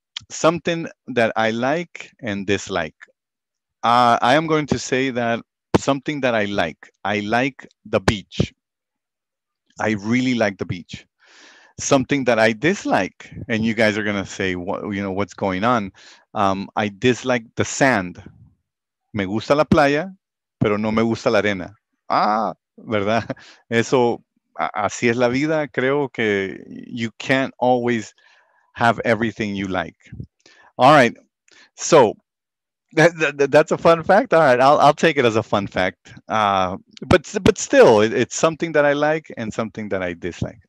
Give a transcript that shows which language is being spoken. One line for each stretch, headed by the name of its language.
English: Something that I like and dislike. I am going to say that something that I like the beach. I really like the beach. Something that I dislike, and you guys are going to say, what's going on? I dislike the sand.
Spanish: Me gusta la playa, pero no me gusta la arena. Ah, ¿verdad? Eso, así es la vida. Creo que
English: you can't always have everything you like. All right. So that's a fun fact. All right. I'll take it as a fun fact. But still, it's something that I like and something that I dislike.